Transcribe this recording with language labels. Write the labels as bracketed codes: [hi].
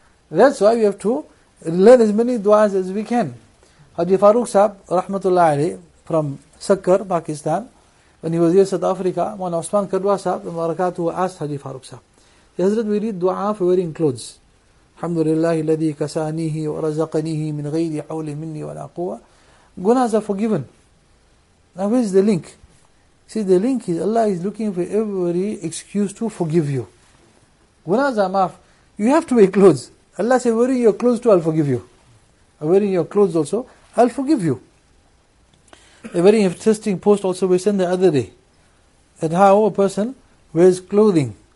[en] That's why we have to learn as many duas as we can. Haji Farooq Saab, rahmatullah alayhi, from Sakkar, Pakistan, when he was here in South Africa, when Osman Kadwa Saab, the Marakatu, asked Haji Farooq Saab, Hazrat, we read dua for wearing clothes. [ar] Alhamdulillah, الذي كسانيه ورزقنيه من غير حول مني ولا قوة. [en] Gunas are forgiven. Now where is the link? See, the link is Allah is looking for every excuse to forgive you. Gunas are maaf. You have to wear clothes. Allah says, wearing your clothes too, I'll forgive you. Wearing your clothes also, I'll forgive you. A very interesting post also we sent the other day. That how a person wears clothing.